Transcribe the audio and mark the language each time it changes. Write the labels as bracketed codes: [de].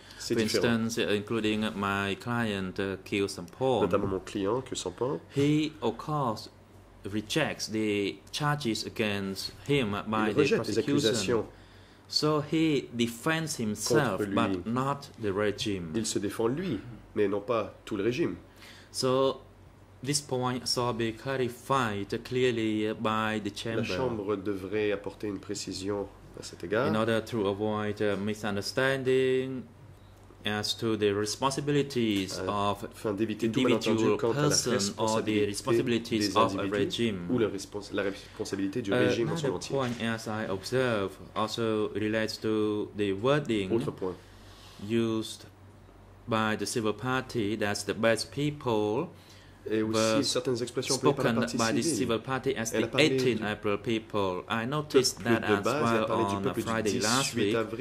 [en] For instance, including my client, Kyu Sampong, he, of course, rejects the charges against him by the prosecution. So he defends himself, but not the regime. [fr] Il se défend lui, mais non pas tout le régime. [en] So this point shall be clarified clearly by the chamber. [fr] La chambre devrait apporter une précision à cet égard. [en] In order to avoid a misunderstanding as to the responsibilities of individual person or the responsibilities of a regime. [fr] Ou la responsabilité du régime en son entier. [en] Point, as I observe, also relates to the wording used by the civil party, that's the best people, spoken by the civil party as the 18 April people. I noticed that as well on Friday last week.